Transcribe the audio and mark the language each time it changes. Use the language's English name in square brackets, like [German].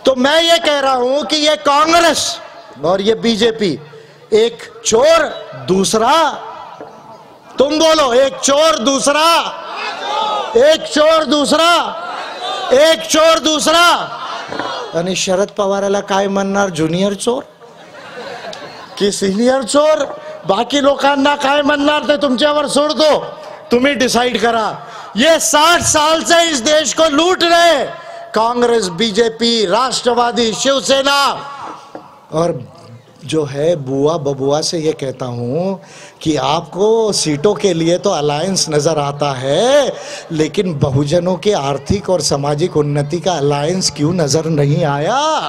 [Hindi] मैं ये कह रहा हूं कि ये कांग्रेस और ये बीजेपी, एक चोर दूसरा, तुम बोलो, एक चोर दूसरा, एक चोर दूसरा, एक चोर दूसरा। [Marathi] शरद पवाराला काय म्हणणार, जुनियर चोर कि सीनियर चोर? बाकी लोकांना काय म्हणणार ते तुमच्यावर सोडतो, तुम्ही डिसाइड करा। [Hindi] ये 60 साल से इस देश को लूट रहे कांग्रेस, बीजेपी, राष्ट्रवादी, शिवसेना। और जो है बुआ बबुआ से ये कहता हूं कि आपको सीटों के लिए तो अलायंस नजर आता है, लेकिन बहुजनों के आर्थिक और सामाजिक उन्नति का अलायंस क्यों नजर नहीं आया?